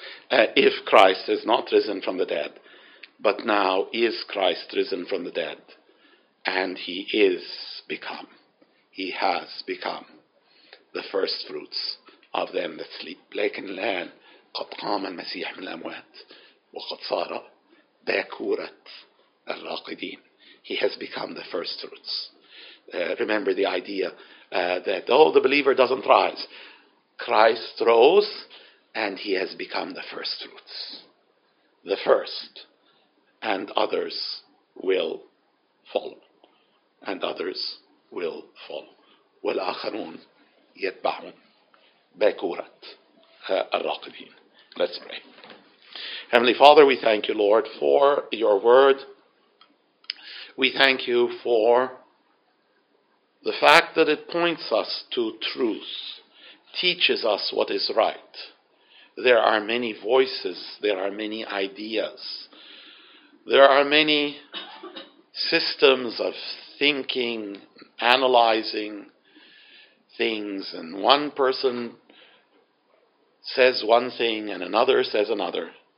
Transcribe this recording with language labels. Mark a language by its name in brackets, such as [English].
[English] If Christ is not risen from the dead, but now is Christ risen from the dead, and he has become the first fruits of them that sleep. [Arabic] لكن الآن قد قام المسيح من الأموات وقد صار باكورة الراقدين. [English] He has become the first fruits. Remember the idea that though the believer doesn't rise, Christ rose. And he has become the first fruits. The first. And others will follow. [Arabic] والآخرون يتبعون بكورة الراقبين. [English] Let's pray. Heavenly Father, we thank you, Lord, for your word. We thank you for the fact that it points us to truth, teaches us what is right. There are many voices, there are many ideas, there are many systems of thinking, analyzing things, and one person says one thing and another says another.